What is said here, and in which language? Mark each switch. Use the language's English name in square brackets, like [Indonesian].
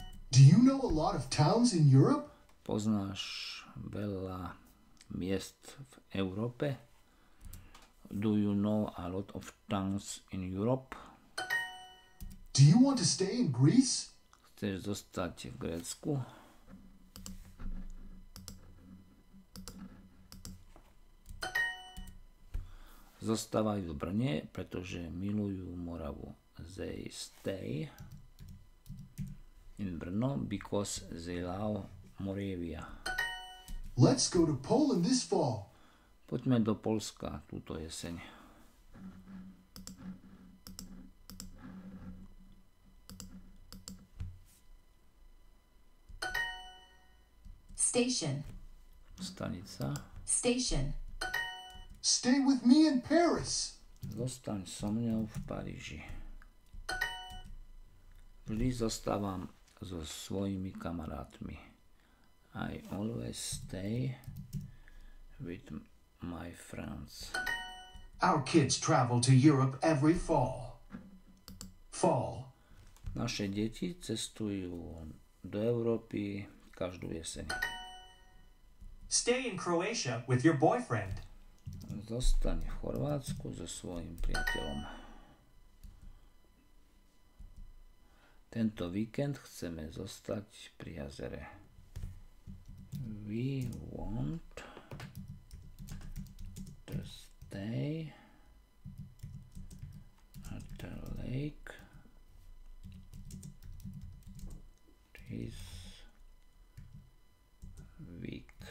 [English] Do you know a lot of towns in Europe? [Slovak] Poznáš veľa miest v Európe? [English] Do you know a lot of towns in Europe? Do you want to stay in Greece? [Slovak] Chceš zostať v Grécku? Zostávajú v Brne, pretože milujú Moravu. [English] They stay in Brno because they love Moravia. Let's go to Poland this fall. [Slovak] Poďme do Poľska túto jeseň. [English] Station. [Slovak] Stanica. [English] Station. Stay with me in Paris. [Slovak] Zostaň so mňou v Paríži. Vždy zostávam so svojimi kamarátmi. [English] I always stay with my friends. Our kids travel to Europe every fall. Fall. [Slovak] Naše deti cestujú do Európy každú jeseň. [English] Stay in Croatia with your boyfriend. [Slovak] Zostaň v Chorvátsku so svojím priateľom. Tento víkend chceme zostať pri jazere. [English] We want to stay at the lake this week.